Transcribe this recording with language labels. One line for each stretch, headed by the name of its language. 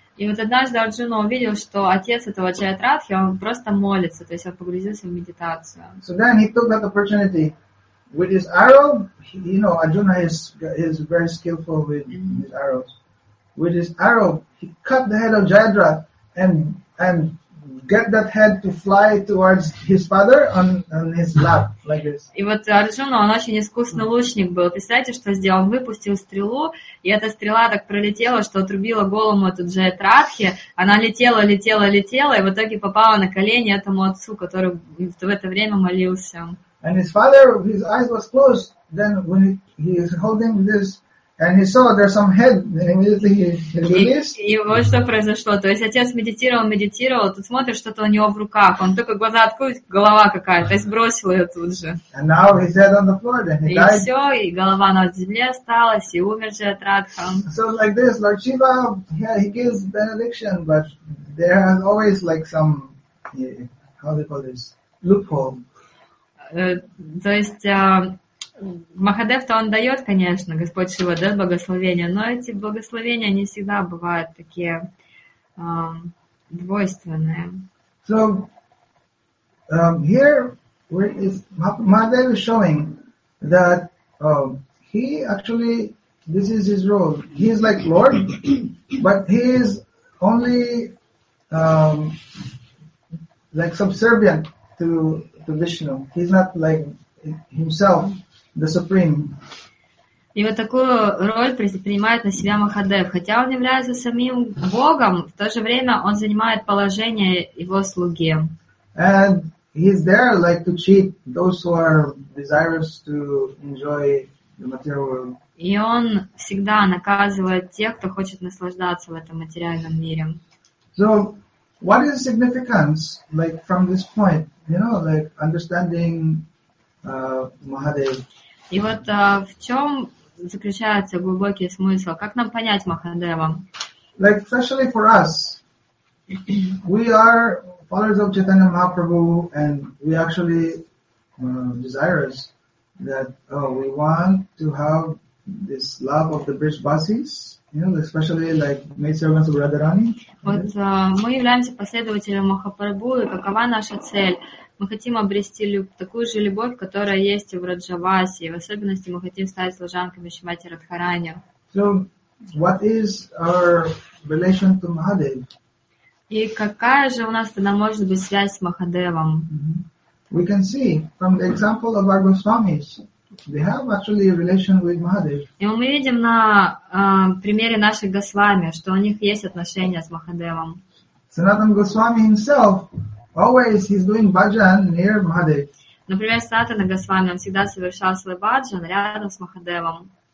Russian: И вот однажды Арджуна увидел, что отец этого Джаядратхи, он просто молится, то есть он погрузился в медитацию.
English: So then he took that opportunity with his arrow. You know, Arjuna is very skillful with mm-hmm. his arrows. With his arrow, he cut the head of Jayadratha and get that head to fly towards his father on his lap like this.
Russian: И вот Арджуна, он очень искусный лучник был. Представляете, что сделал? Он выпустил стрелу, и эта стрела так пролетела, что отрубила голову эту Джаятрадхи. Она летела, и в итоге попала на колени этому отцу, который в это время молился.
English: And his father, his eyes was closed. Then when he is holding this, and he saw there's some head, and immediately he released.
Russian: И вот что произошло. То есть отец медитировал, тут смотрит, что-то у него в руках. Он только глаза открыл, голова какая-то, и сбросил ее тут же.
English: And now his head on the floor, then he died.
Russian: И все, и голова на земле осталась, и умер Джаятратха.
English: So like this, Lord Shiva, yeah, he gives benediction, but there are always like some, how do you call this, loophole.
Russian: То есть... Махадев-то он дает, конечно, Господь Шива дает благословение, но эти благословения, они всегда бывают такие двойственные.
English: So, here Mahadev is showing that he actually, this is his role. He is like Lord, but he is only like subservient to Vishnu. He's not like himself. The supreme.
Russian: И вот такую роль принимает на себя Махадев. Хотя он является самим Богом, в то же время он занимает положение его слуги.
English: And he's there like to cheat those who are desirous to enjoy the material world.
Russian: И он всегда наказывает тех, кто хочет наслаждаться в этом материальном мире.
English: So what is the significance like from this point, you know, like understanding Mahadev?
Russian: И вот в чем заключается глубокий смысл? Как нам понять Махадева?
English: Like, especially for us, we are followers of Chaitanya Mahaprabhu, and we actually desirous that we want to have this love of the Brijbasis, you know, especially like maidservants of Radharani.
Russian: Вот мы являемся последователями Махапрабху, и какова наша цель? Мы хотим обрести такую же любовь, которая есть в Раджавасе. И в особенности мы хотим стать служанками Шимати Радхарани.
English: So, what is our relation to Mahadev?
Russian: И какая же у нас тогда может быть связь с Махадевом? Mm-hmm.
English: We can see from the example of our Goswamis, we have actually a relation with Mahadev.
Russian: И мы видим на примере наших Госвами, что у них есть отношения с Махадевом.
English: Sanatan Goswami himself always he's doing bhajan near Mahadev.
Russian: Например, Сатана Госвами, он всегда совершал свой баджан рядом с Махадевом.